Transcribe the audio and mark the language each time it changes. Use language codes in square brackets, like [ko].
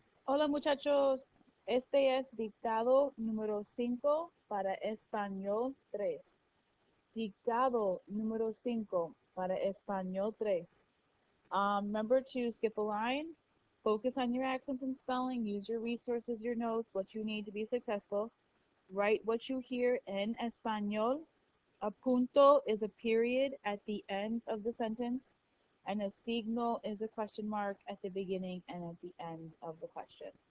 [es] Hola muchachos, este es dictado número 5 para español 3. Dictado número 5 para español 3. [en] Remember to skip a line, focus on your accent and spelling, use your resources, your notes, what you need to be successful. Write what you hear [es] en español. [en] A punto is a period at the end of the sentence. And a signal is a question mark at the beginning and at the end of the question.